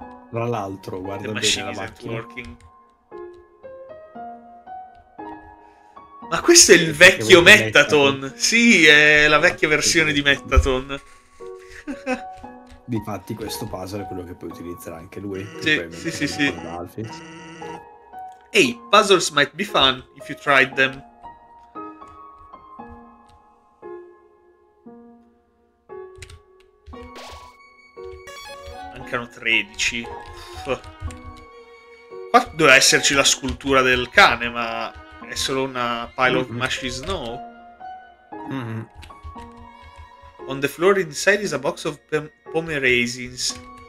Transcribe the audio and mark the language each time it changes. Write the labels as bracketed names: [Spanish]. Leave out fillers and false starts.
[Italian] Tra l'altro, guarda bene la macchina. [English] The machine is working. [Italian] Ma questo è il vecchio Metaton. Sì, è la vecchia versione di Metaton. Difatti questo puzzle è quello che puoi utilizzare anche lui. Sì, sì, sì. [English] Hey, puzzles might be fun if you tried them. [Italian] Mancano 13. Uff. Qua doveva esserci la scultura del cane, ma è solo una [English] pile of mushy snow. On the floor inside is a box of pomeraisins.